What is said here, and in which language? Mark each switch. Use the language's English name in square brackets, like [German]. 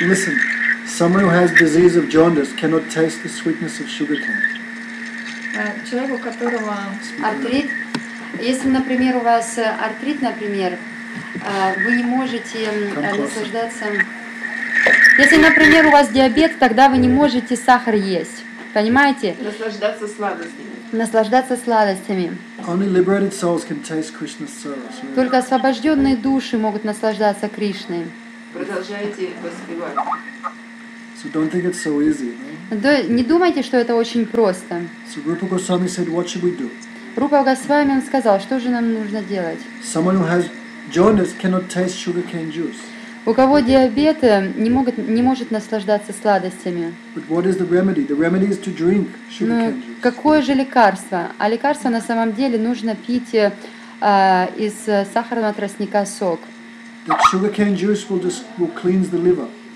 [English] Listen, someone who has disease of jaundice cannot taste the sweetness of sugar cane. [Russian] Человеку, у которого артрит, если, например, у вас артрит, например, вы не можете наслаждаться... Если, например, у вас диабет, тогда вы не можете сахар есть. Понимаете? Наслаждаться сладостями. Наслаждаться сладостями. [English] Only liberated souls can taste Krishna's service. [Russian] Только освобожденные души могут наслаждаться Кришной. Продолжайте воспевать. [English] So don't think it's so easy. [Russian] Да, не думайте, что это очень просто. [English] So Rupa Goswami said, what should we do? [Russian] Рупа Госвами сказал, что же нам нужно делать? [English] Someone who has jaundice cannot taste sugarcane juice. [Russian] У кого диабет, не может наслаждаться сладостями. [English] But what is the remedy? The remedy is to drink sugarcane juice. [Russian] Какое же лекарство? А лекарство на самом деле нужно пить из сахарного тростника сок. [English] That sugarcane juice will cleanse the liver.